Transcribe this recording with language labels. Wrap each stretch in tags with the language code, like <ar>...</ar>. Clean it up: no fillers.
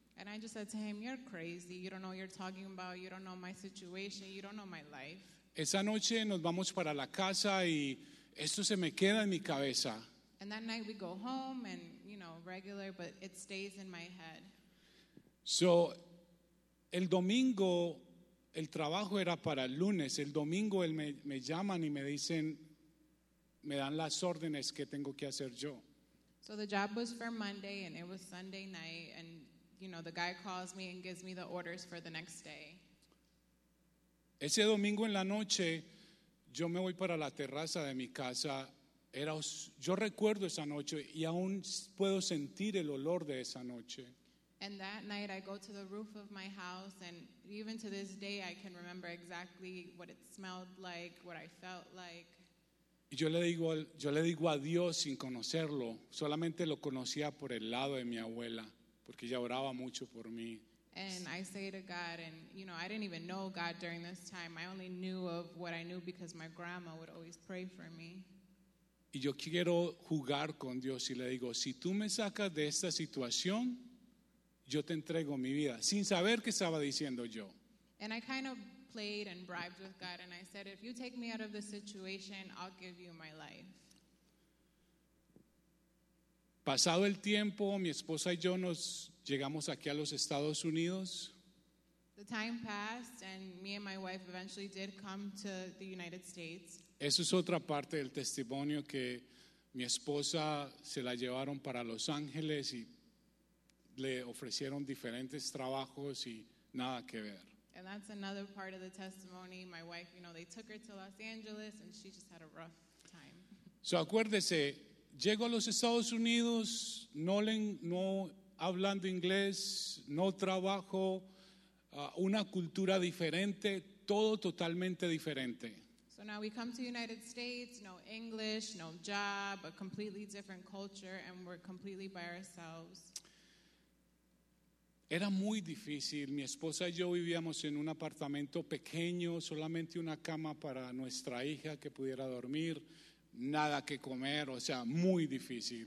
<en>And I just said to him, you're crazy, you don't know what you're talking about, you don't know my situation, you don't know my life.</en> <es>Esa noche nos vamos para la casa y esto se me queda en mi cabeza.</es> <en>And that night we go home and, you know, regular, but it stays in my head.</en> <es>So, el domingo, el trabajo era para el lunes. El domingo me llaman y me dicen, me dan las órdenes que tengo que hacer yo.</es> <en>So the job was for Monday and it was Sunday night. And, you know, the guy calls me and gives me the orders for the next day.</en> <es>Ese domingo en la noche, yo me voy para la terraza de mi casa. Yo recuerdo esa noche y aún puedo sentir el olor de esa noche.</es> <en>And that night I go to the roof of my house, and even to this day I can remember exactly what it smelled like, what I felt like.</en> <es>Y yo le digo a Dios sin conocerlo, solamente lo conocía por el lado de mi abuela, porque ella oraba mucho por mí.</es> <en>And I say to God, and you know, I didn't even know God during this time. I only knew of what I knew because my grandma would always pray for me.</en> <es>Y yo quiero jugar con Dios y le digo, si tú me sacas de esta situación, yo te entrego mi vida, sin saber qué estaba diciendo yo.</es> <en>And I kind of played and bribed with God, and I said, if you take me out of this situation, I'll give you my life.</en> <es>Pasado el tiempo, mi esposa y yo nos llegamos aquí a los Estados Unidos.</es> <en>The time passed, and me and my wife eventually did come to the United States.</en> <es>Eso es otra parte del testimonio, que mi esposa se la llevaron para Los Ángeles y le ofrecieron diferentes trabajos y nada que ver.</es> <en>And that's another part of the testimony. My wife, you know, they took her to Los Angeles and she just had a rough time.</en> <es>So acuérdese, llego a los Estados Unidos, no hablando inglés, no trabajo, una cultura diferente, todo totalmente diferente.</es> <en>So now we come to the United States, no English, no job, a completely different culture, and we're completely by ourselves.</en> <es>Era muy difícil. Mi esposa y yo vivíamos en un apartamento pequeño, solamente una cama para nuestra hija que pudiera dormir, nada que comer, o sea, muy difícil.</es>